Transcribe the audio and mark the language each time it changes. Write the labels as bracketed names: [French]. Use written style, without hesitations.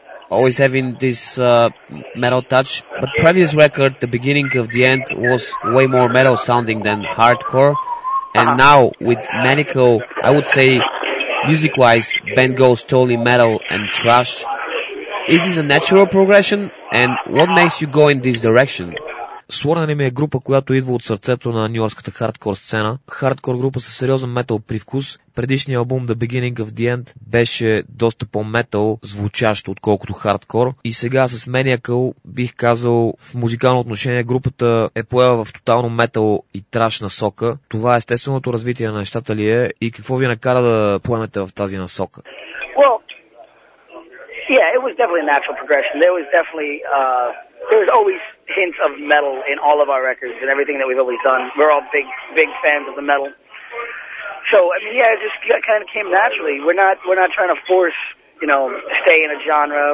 [English] Always having this metal touch, but previous record, The Beginning of the End, was way more metal sounding than hardcore. And now with Maniacal, I would say music wise band goes totally metal and thrash. Is this a natural progression, and what makes you go in this direction? [Bulgarian] Sworn Enemy е група, която идва от сърцето на нью-йоркската хардкор сцена. Хардкор група със сериозен метал привкус. Предишният албум The Beginning of the End беше доста по-метал звучащ, отколкото хардкор. И сега с Maniacal, бих казал, в музикално отношение групата е поела в тотално метал и траш насока. Това е естественото развитие на нещата ли е и какво ви накара да поемете в тази насока? [English] Yeah, it was definitely a natural progression. There was definitely there's always hints of metal in all of our records and everything that we've always done. We're all big fans of the metal. So, I mean, yeah, it just kind of came naturally. We're not trying to force, you know, stay in a genre.